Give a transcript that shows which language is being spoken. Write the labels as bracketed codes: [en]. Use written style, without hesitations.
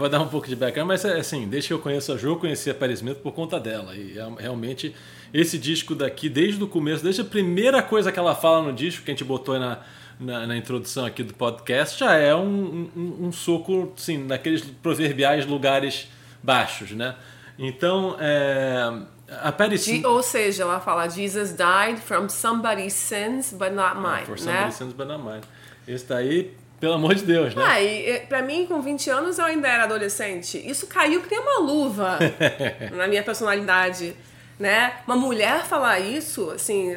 [pt] Eu vou dar um pouco de background, mas assim, desde que eu conheço a Ju, eu conheci a Patti Smith por conta dela. E realmente, esse disco daqui, desde o começo, desde a primeira coisa que ela fala no disco, que a gente botou na introdução aqui do podcast, já é um soco, sim, naqueles proverbiais lugares baixos, né? Então, a Patti Smith... Ou seja, ela fala, [en] Jesus died from somebody's sins, but not mine. For somebody's sins, but not mine. [pt] Esse daí, Pelo amor de Deus, né? Ah, e pra mim, com 20 anos, eu ainda era adolescente. Isso caiu que nem uma luva na minha personalidade, né? Uma mulher falar isso, assim...